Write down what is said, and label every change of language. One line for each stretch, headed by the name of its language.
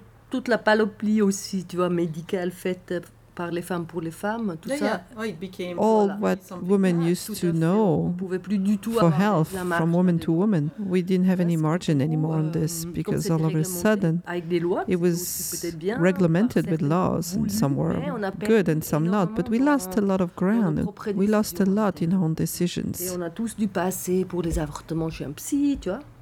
French: Toute la palopée aussi, tu vois, médicale faite par les femmes pour les femmes, tout ça.
English: All what women used to know for health from woman to woman, we didn't have any margin anymore on this because all of a sudden it was reglemented with laws and some were good and some not. But we lost a lot of ground. We lost a lot in our own decisions.
French: Et on a tous dû passer pour les avortements chez un psy, tu vois.